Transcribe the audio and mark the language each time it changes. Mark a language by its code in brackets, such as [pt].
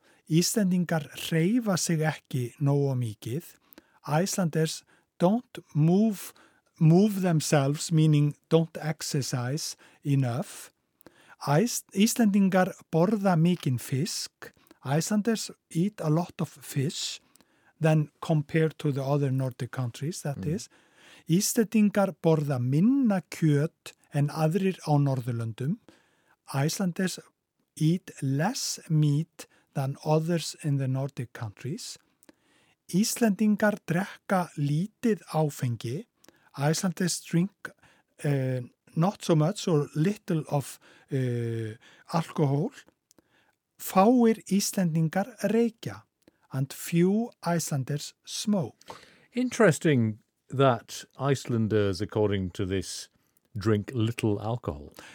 [is] Íslendingar hreyfa sig ekki nógu mikið. [en] Icelanders don't move themselves, meaning don't exercise enough. [is] Íslendingar borða mikinn fisk. [en] Icelanders eat a lot of fish. than compared to the other Nordic countries, that is. [is] Íslendingar borða minna kjöt en aðrir á Norðurlöndum. [en] Icelanders eat less meat than others in the Nordic countries. [is] Íslendingar drekka lítið áfengi. [en] Icelanders drink not so much or little of alcohol. [is] Fáir Íslendingar reykja [en] and few Icelanders smoke. Interesting that Icelanders, according to this, drink little alcohol.